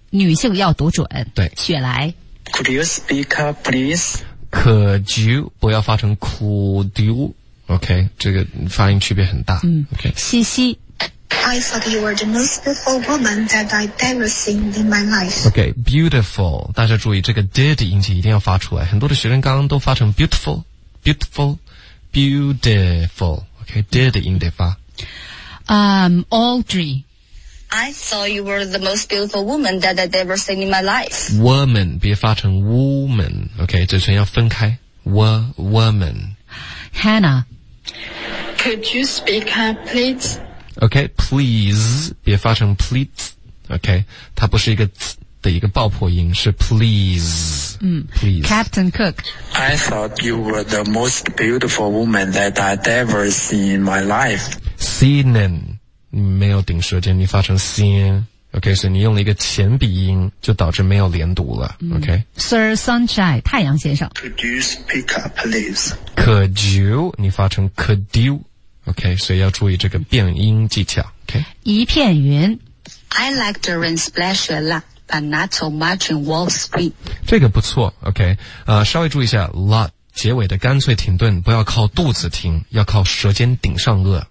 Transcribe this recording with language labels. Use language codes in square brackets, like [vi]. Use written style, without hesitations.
[zh] 女性要读准。对。雪莱。 [en] Could you speak up, please? Could you, [zh] 不要发成 [en] could you, OK? [zh] 这个发音区别很大。嗯 [en] ,OK。 [zh] 西西。 [en] I thought you were the most beautiful woman that I'd ever seen in my life. Okay, beautiful. [zh] 大家注意这个 did 音节一定要发出来。很多的学生刚刚都发成 [en] beautiful, beautiful, beautiful. [zh] Okay, did 音得发。 [en] Audrey. I thought you were the most beautiful woman that I'd ever seen in my life. Woman, [zh] 别发成 [en] woman. Okay, [zh] 嘴唇要分开。 [en] Woman. Hannah. Could you speak up, please? Okay, please, [zh] 别发成 [en] please, okay, [zh] 它不是一个 z 的一个爆破音，是 [en] please, please. Captain Cook. I thought you were the most beautiful woman that I'd ever seen in my life. Seen, [zh] 没有顶舌尖，你发成 [en] seen, okay, [zh] 所以你用了一个前鼻音，就导致没有连读了, [en] okay. [zh] Sir Sunshine, 太阳先生。 [en] Could you speak up, please? Could you, [zh] 你发成 could you. OK, 所以要注意这个变音技巧。 [en] OK, [zh] 一片云。 [en] I like the rain splash a lot, but not so much in Wall Street. [zh] 这个不错。OK, 稍微注意一下 lot 结尾的干脆停顿不要靠肚子停，要靠舌尖顶上颚。